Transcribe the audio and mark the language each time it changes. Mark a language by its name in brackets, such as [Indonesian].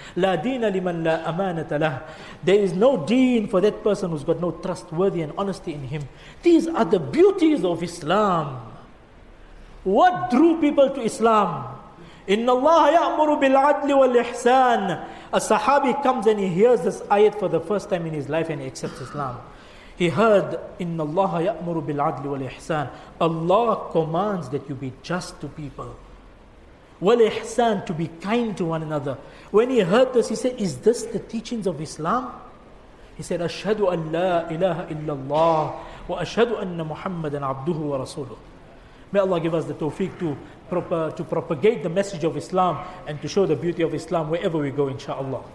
[Arabic] La deena liman la amanata lah. [English] There is no deen for that person who's got no trustworthy and honesty in him. These are the beauties of Islam. What drew people to Islam? [Arabic] Inna Allah ya'muru bil adli wal ihsan. [English] A sahabi comes and he hears this ayat for the first time in his life and he accepts Islam. He heard, [Arabic] إِنَّ اللَّهَ يَأْمُرُ بِالْعَدْلِ وَالْإِحْسَانِ. [English] Allah commands that you be just to people. والإحسان, to be kind to one another. When he heard this, he said, is this the teachings of Islam? He said, [Arabic] أَشْهَدُ أَنْ لَا إِلَهَ إِلَّا اللَّهِ وَأَشْهَدُ أَنَّ مُحَمَّدًا عَبْدُهُ وَرَسُولُهُ. [English] May Allah give us the tawfiq to propagate the message of Islam and to show the beauty of Islam wherever we go, inshaAllah.